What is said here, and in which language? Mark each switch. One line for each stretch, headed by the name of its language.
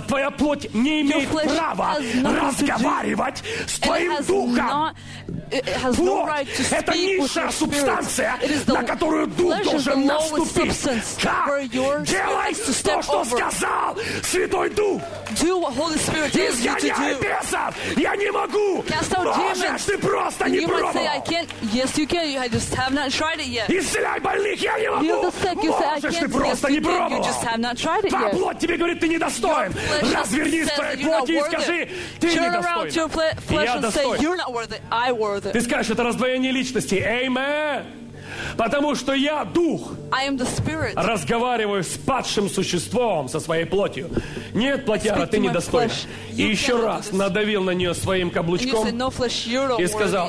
Russian: Твоя плоть не имеет права разговаривать с твоим духом. Плоть — это низшая субстанция, на которую дух должен наступить. Как? Делай то, что сказал Святой Дух.
English: Do what Holy Spirit tells you to do.
Russian: Я не могу.
English: Cast out demons.
Russian: Ты просто не пробовал.
English: You might say I can't. Yes, you can. You just have not tried it yet.
Russian: Исцеляй больных. Я не могу.
English: Heal the sick. You say I can't. Yes, you can. You just have not tried it yet.
Russian: Твоя плоть тебе говорит, ты недостоин. Разверни свою плоть и скажи, ты недостоин.
English: Turn around to your flesh and say you're not worth it. I worth it.
Russian: Ты скажешь, это раздвоение личности. Amen. Потому что я дух.
English: I am the spirit.
Russian: Разговариваю с падшим существом, со своей плотью. Нет, плотяра, ты недостойна. И еще раз надавил на нее своим каблучком
English: said, no flesh, you're not
Russian: и сказал,